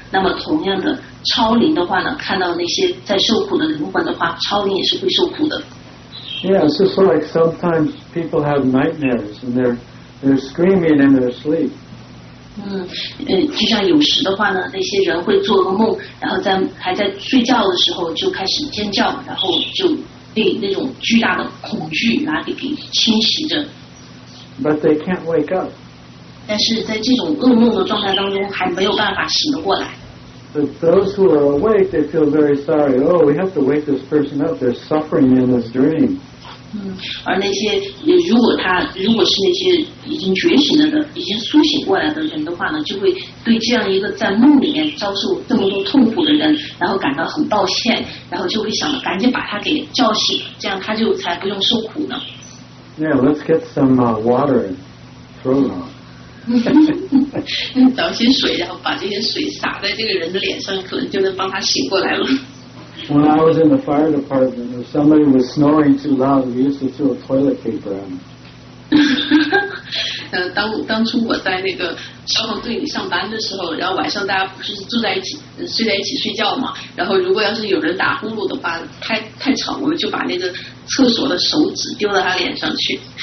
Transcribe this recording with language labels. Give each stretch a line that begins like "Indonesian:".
Chinese: 那么同样的超灵的话呢，看到那些在受苦的灵魂的话，超灵也是会受苦的。
English: Yeah, it's just like sometimes people have nightmares and they're screaming in their sleep.
Chinese: 就像有时的话呢，那些人会做个梦，然后还在睡觉的时候就开始尖叫，然后就被那种巨大的恐惧给侵袭着。
English: But they can't wake up.
Chinese: 但是在这种噩梦的状态当中还没有办法醒得过来。
English: But those who are awake, they feel very sorry. Oh, we have to wake this person up. They're suffering in this dream.
Chinese: 而那些如果是那些已经觉醒了的、已经苏醒过来的人的话呢，就会对这样一个在梦里面遭受这么多痛苦的人，然后感到很抱歉，然后就会想着赶紧把他给叫醒，这样他就才不用受苦呢。
English: Yeah, let's get some water and throw them off.
Chinese: 找些水，然后把这些水洒在这个人的脸上，可能就能帮他醒过来了。
English: When I was in the fire department, if somebody was snoring too loud, we used to throw toilet paper on them.
Chinese: 当初我在那个消防队里上班的时候，然后晚上大家不是住在一起睡在一起睡觉嘛，然后如果要是有人打呼噜的话，太吵，我们就把那个厕所的手纸丢到他脸上去。